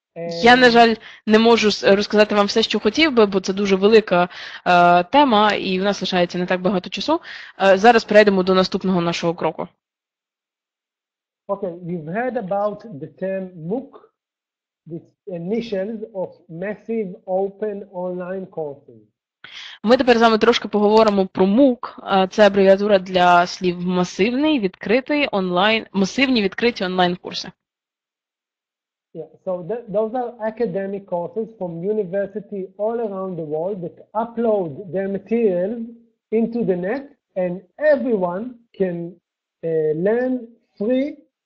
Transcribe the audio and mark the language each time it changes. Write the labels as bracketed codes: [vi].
[uk] Я, на жаль, не можу розказати вам все, що хотів би, бо це дуже велика тема, і в нас лишається не так багато часу. Зараз перейдемо до наступного нашого кроку. [en] Okay, you've heard about the term MOOC, this initials of massive open online courses. [uk] Ми тепер з вами трошки поговоримо про MOOC. Це абревіатура для слів масивні відкриті онлайн курси. [en] Yeah, so those are academic courses from university all around the world that upload their materials into the net and everyone can learn free.